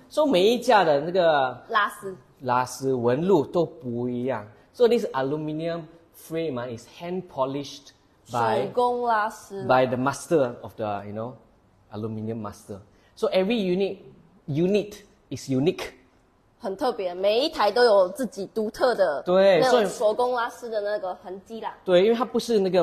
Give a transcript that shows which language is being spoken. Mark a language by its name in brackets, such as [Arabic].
[Chinese] 所以每一架的那个拉丝纹路都不一样. [English] So this aluminium frame is hand polished by [Chinese] 手工拉丝. [English] By the master of the, you know, aluminium master. So every unit is unique. [Chinese] 很特别，每一台都有自己独特的那种手工拉丝的那个痕迹啦。对，因为它不是那个